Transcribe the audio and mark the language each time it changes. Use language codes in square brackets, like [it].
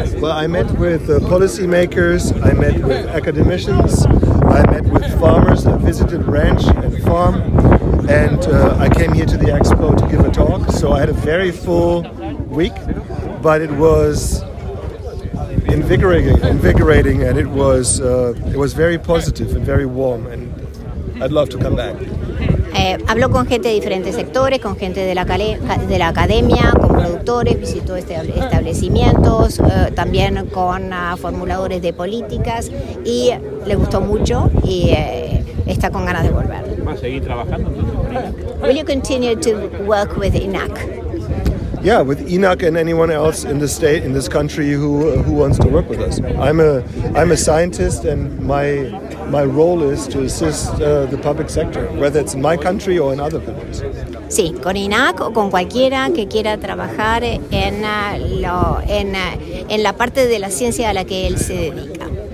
[en] Well, I met with policymakers, I met with academicians, I met with farmers, I visited ranch and farm, and I came here to the expo to give a talk. So I had a very full week, but it was invigorating, and it was very positive and very warm, and I'd love to come back. [es] Habló con gente de diferentes sectores, con gente de la academia, con productores, visitó establecimientos, también con formuladores de políticas, y le gustó mucho y está con ganas de volver. ¿Va a seguir trabajando entonces? [en] Will you continue to work with ENAC? Yeah, with ENAC and anyone else in the state, in this country, who wants to work with us. I'm a scientist, and my role is to assist the public sector, whether it's in my country or in other countries. [es] Sí, con ENAC o con cualquiera que quiera trabajar en la parte de la ciencia a la que él se dedica.